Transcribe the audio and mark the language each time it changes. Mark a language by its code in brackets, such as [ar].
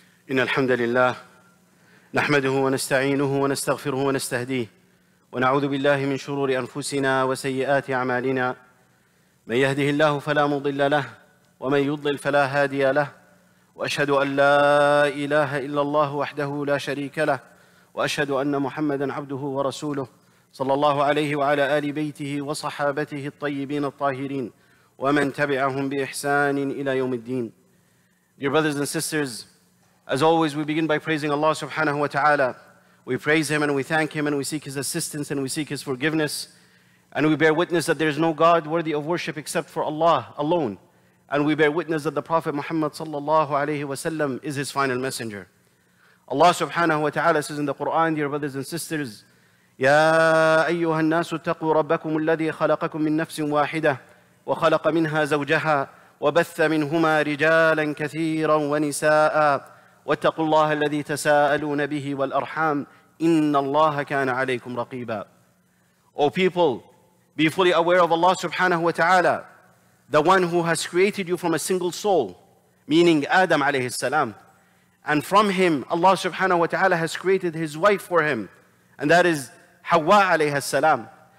[ar] إن الحمد لله نحمده ونستعينه ونستغفره ونستهديه ونعوذ بالله من شرور أنفسنا وسيئات أعمالنا من يهده الله فلا مضل له ومن يضلل فلا هادي له وأشهد أن لا إله إلا الله وحده لا شريك له وأشهد أن محمدًا عبده ورسوله صلى الله عليه وعلى آل بيته وصحابته الطيبين الطاهرين ومن تبعهم بإحسان إلى يوم الدين. [en] Dear brothers and sisters, as always, we begin by praising Allah subhanahu wa ta'ala. We praise Him and we thank Him and we seek His assistance and we seek His forgiveness. And we bear witness that there is no God worthy of worship except for Allah alone. And we bear witness that the Prophet Muhammad sallallahu alayhi wa sallam is His final messenger. Allah subhanahu wa ta'ala says in the Quran, dear brothers and sisters, [ar] يَا أَيُّهَا النَّاسُ اتَّقُوا رَبَّكُمُ الَّذِي خَلَقَكُم مِّن نَّفْسٍ وَاحِدَةٍ وَخَلَقَ مِنْهَا زَوْجَهَا وَبَثَّ مِنْهُمَا رِجَالًا كَثِيرًا وَنِسَاءً وَاتَّقُوا اللَّهَ الَّذِي تَسَاءَلُونَ بِهِ وَالْأَرْحَامَ إِنَّ اللَّهَ كَانَ عَلَيْكُمْ رَقِيبًا. [en] O people, be fully aware of Allah subhanahu wa ta'ala, the one who has created you from a single soul, meaning Adam alayhi salam. And from him, Allah subhanahu wa ta'ala has created his wife for him, and that is Hawa alayhi salam.